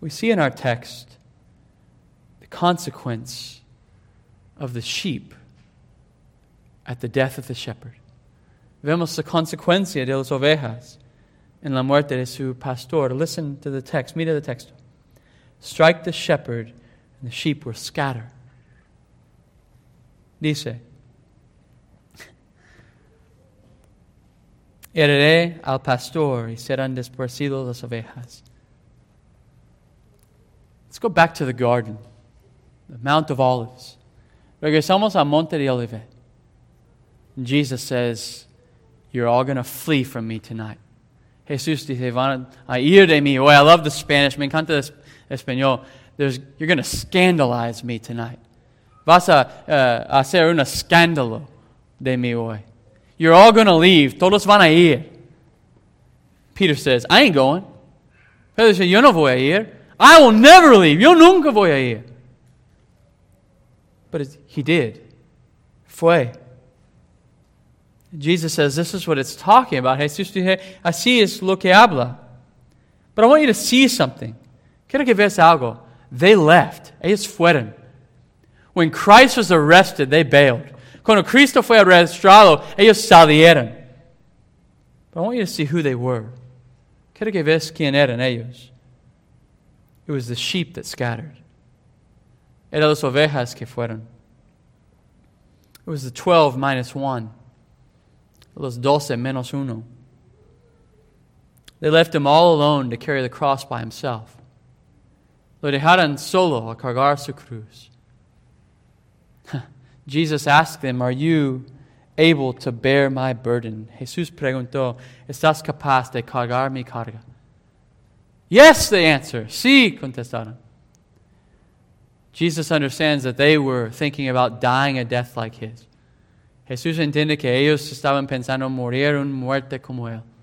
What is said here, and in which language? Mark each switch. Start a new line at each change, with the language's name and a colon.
English: We see in our text the consequence of the sheep at the death of the shepherd.
Spanish: Vemos la consecuencia de las ovejas en la muerte de su pastor.
English: Listen to the text.
Spanish: Mira el texto.
English: Strike the shepherd and the sheep will scatter.
Spanish: Dice, heriré al pastor y serán dispersidos las ovejas.
English: Let's go back to the garden, the Mount of Olives.
Spanish: Regresamos al Monte de Olivet.
English: Jesus says, you're all going to flee from me tonight.
Spanish: Jesús dice, van a ir de mí.
English: Oh, I love the Spanish.
Spanish: Me encanta el español.
English: You're going to scandalize me tonight.
Spanish: Vas a hacer un escándalo de mí hoy.
English: You're all going to leave.
Spanish: Todos van a ir.
English: Peter says, I ain't going.
Spanish: Pedro says, yo no voy a ir.
English: I will never leave.
Spanish: Yo nunca voy a ir.
English: But he did.
Spanish: Fue.
English: Jesus says, this is what it's talking about.
Spanish: Jesús dice, así es lo que habla.
English: But I want you to see something.
Spanish: Quiero que veas algo.
English: They left.
Spanish: Ellos fueron.
English: When Christ was arrested, they bailed.
Spanish: Cuando Cristo fue arrestado, ellos salieron.
English: But I want you to see who they were.
Spanish: Quiero que veas quién eran ellos.
English: It was the sheep that scattered.
Spanish: Eran las ovejas que fueron.
English: It was the 12 minus 1.
Spanish: Los 12 menos 1.
English: They left him all alone to carry the cross by himself.
Spanish: Lo dejaron solo a cargar su cruz.
English: Jesus asked them, are you able to bear my burden?
Spanish: Jesús preguntó, ¿estás capaz de cargar mi carga?
English: Yes, they answer.
Spanish: Sí, contestaron.
English: Jesus understands that they were thinking about dying a death like his.
Spanish: Jesús entiende que ellos estaban pensando morir una muerte como él.